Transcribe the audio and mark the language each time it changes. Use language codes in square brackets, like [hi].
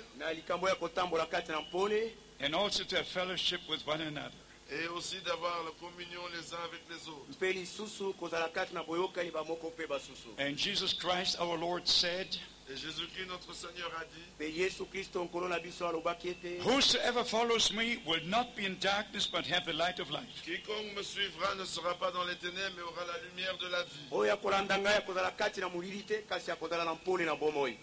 [fr] et aussi [en] to have fellowship with one another, [fr] et aussi d'avoir la communion les uns avec les autres. [en] And Jesus Christ our Lord said, [fr] et Jésus-Christ notre Seigneur a dit, [en] whosoever follows me will not be in darkness but have the light of life. [fr] Quiconque me suivra ne sera pas dans les ténèbres mais aura la lumière de la vie.